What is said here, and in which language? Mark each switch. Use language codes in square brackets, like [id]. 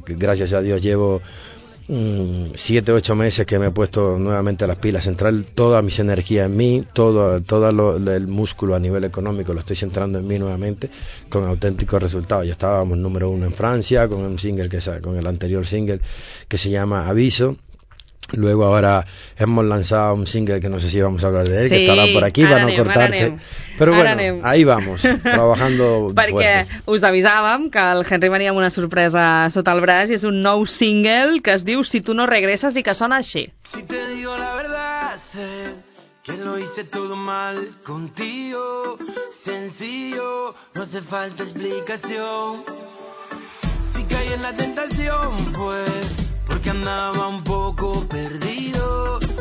[es] Gracias a Dios llevo 7-8 meses que me he puesto nuevamente las pilas, centrar todas mis energías en mí, todo el músculo a nivel económico lo estoy centrando en mí nuevamente, con auténticos resultados. Ya estábamos número uno en Francia con un single con el anterior single que se llama Aviso. Luego ahora hemos lanzado un single que no sé si vamos a hablar de él, sí, que estará por aquí, va a no cortarte. Però bueno, ahí vamos, trabajando fuerte. [ca] Perquè us avisàvem que el Henry venia amb una sorpresa sota el braç i és un nou single que es diu Si tú no regresas i que sona així. [es] Si te digo la verdad, sé que lo hice todo mal contigo. Sencillo, no hace falta explicación. Si caí en la tentación, pues porque andaba un poco perdido.